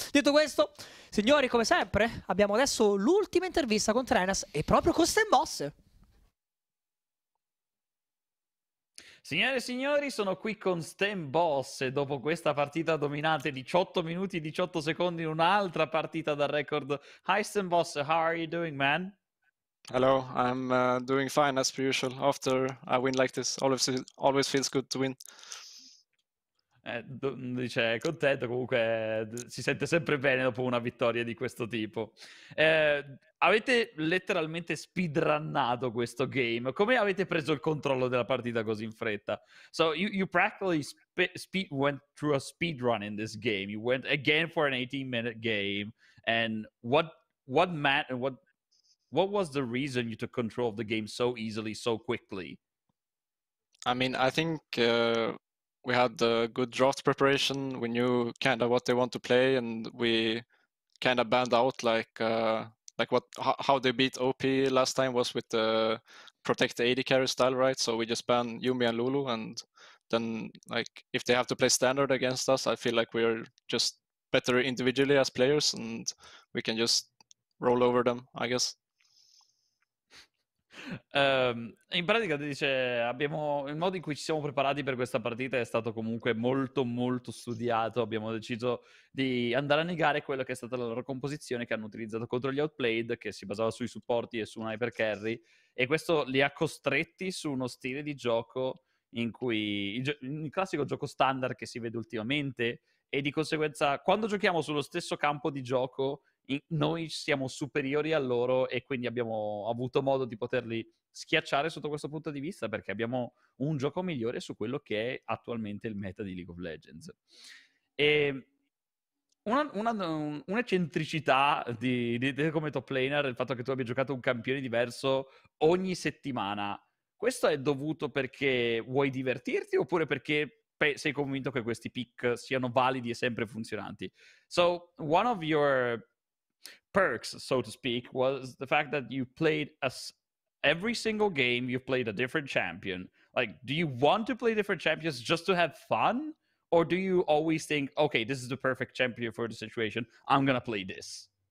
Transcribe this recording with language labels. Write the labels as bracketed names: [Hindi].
[Italian] Detto questo, signori, come sempre, abbiamo adesso l'ultima intervista con Trenas e proprio con Stan Boss. Signore e signori, sono qui con Stan Boss e dopo questa partita dominante 18 minuti e 18 secondi in un'altra partita da record. [English] Hi Stan Boss, how are you doing, man? Hello, I'm doing fine as per usual. After a win like this, always feels good to win. [Italian] Dice, è contento, comunque si sente sempre bene dopo una vittoria di questo tipo. Avete letteralmente speedrunnato questo game. Come avete preso il controllo della partita così in fretta? [English] So you practically speed went through a speedrun in this game. You went again for an 18 minute game. And what was the reason you took control of the game so easily, so quickly? I mean, I think we had a good draft preparation. We knew kind of what they want to play, and we kind of banned out like what how they beat OP last time was with the protect the AD carry style, right? So we just ban Yumi and Lulu, and then like if they have to play standard against us, I feel like we are just better individually as players, and we can just roll over them, I guess. [Italian] In pratica dice abbiamo il modo in cui ci siamo preparati per questa partita è stato comunque molto molto studiato, abbiamo deciso di andare a negare quello che è stata la loro composizione che hanno utilizzato contro gli outplayed, che si basava sui supporti e su un hyper carry, e questo li ha costretti su uno stile di gioco in cui il classico gioco standard che si vede ultimamente, e di conseguenza quando giochiamo sullo stesso campo di gioco noi siamo superiori a loro, e quindi abbiamo avuto modo di poterli schiacciare sotto questo punto di vista, perché abbiamo un gioco migliore su quello che è attualmente il meta di League of Legends. E un'eccentricità di come top laner, il fatto che tu abbia giocato un campione diverso ogni settimana, questo è dovuto perché vuoi divertirti oppure perché sei convinto che questi pick siano validi e sempre funzionanti? [English] So one of your perks, so to speak, was the fact that you played every single game, you played a different champion. Like, do you want to play different champions just to have fun? Or do you always think, okay, this is the perfect champion for the situation, I'm gonna play this?